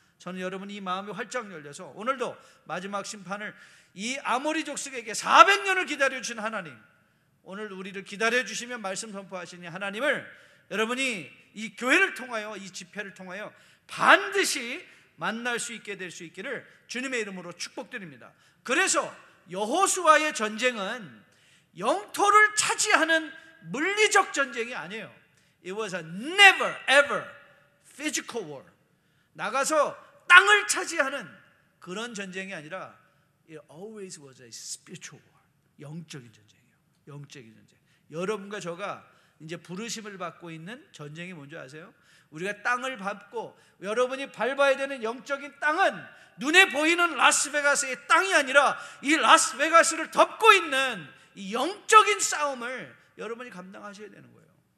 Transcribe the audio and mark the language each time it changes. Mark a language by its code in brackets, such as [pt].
[ko] 저는 여러분이 이 마음이 활짝 열려서 오늘도 마지막 심판을 이 아모리 족속에게 400년을 기다려주신 하나님 오늘 우리를 기다려주시면 말씀 선포하시니 하나님을 여러분이 이 교회를 통하여 이 집회를 통하여 반드시 만날 수 있게 될 수 있기를 주님의 이름으로 축복드립니다. 그래서 여호수아의 전쟁은 영토를 차지하는 물리적 전쟁이 아니에요. [en] It was a never ever physical war. [ko] 나가서 땅을 차지하는 그런 전쟁이 아니라 [en] It always was a spiritual war. [ko] 영적인 전쟁이에요. 영적인 전쟁. 여러분과 저가 이제 부르심을 받고 있는 전쟁이 뭔지 아세요? 우리가 땅을 밟고 여러분이 밟아야 되는 영적인 땅은 눈에 보이는 라스베가스의 땅이 아니라 이 라스베가스를 덮고 있는 이 영적인 싸움을 여러분이 감당하셔야 되는 거예요.